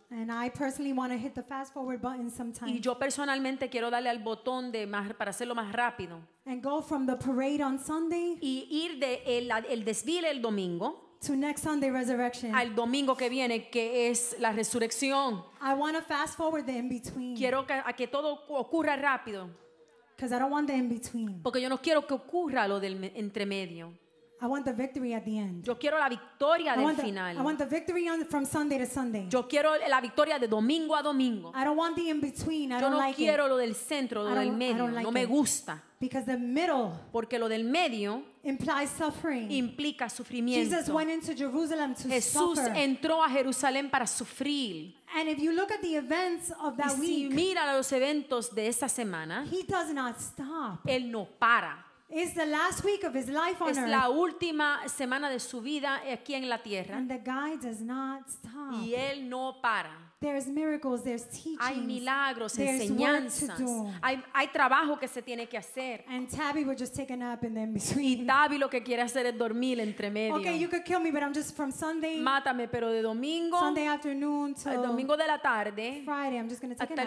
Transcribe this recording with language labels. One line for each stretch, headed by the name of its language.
English: And I personally want to hit the fast forward button sometime.
Spanish: Y yo personalmente quiero darle al botón de más para hacerlo más rápido.
English: And go from the parade on Sunday.
Spanish: Y ir de el desfile el domingo.
English: To next Sunday resurrection.
Spanish: Al domingo que viene, que es la resurrección.
English: I want to fast forward the in between.
Spanish: Quiero a que todo ocurra rápido.
English: Because I don't want the in between.
Spanish: Porque yo no quiero que ocurra lo del entremedio.
English: I want the victory at the end.
Spanish: Yo quiero la victoria del final.
English: I want the victory from Sunday to Sunday.
Spanish: Yo quiero la victoria de domingo a domingo.
English: I don't want the in between. I don't like it.
Spanish: Yo no quiero lo del centro, lo del medio. No me gusta.
English: Because the middle,
Spanish: porque lo del medio,
English: implies suffering.
Spanish: Implica sufrimiento.
English: Jesus went into Jerusalem to
Spanish: Jesús
English: suffer.
Spanish: Entró a Jerusalén para sufrir.
English: And if you look at the events of that week,
Spanish: y si mira los eventos de esa semana,
English: he does not stop.
Spanish: Él no para.
English: It's the last week of his life on earth.
Spanish: Es la última semana de su vida aquí en la tierra.
English: And the guy does not stop.
Spanish: Y él no para.
English: There's miracles, there's teachings.
Spanish: Hay milagros,
English: there's
Spanish: enseñanzas.
English: Work to do.
Spanish: Hay trabajo que se tiene que hacer.
English: And Tabby would just take a nap in the between.
Spanish: Y Tabby lo que quiere hacer es dormir entre medio.
English: Okay, you could kill me, but I'm just from Sunday.
Spanish: Mátame, pero de domingo.
English: Sunday afternoon to
Spanish: domingo de la tarde.
English: Friday, I'm just going to take a nap.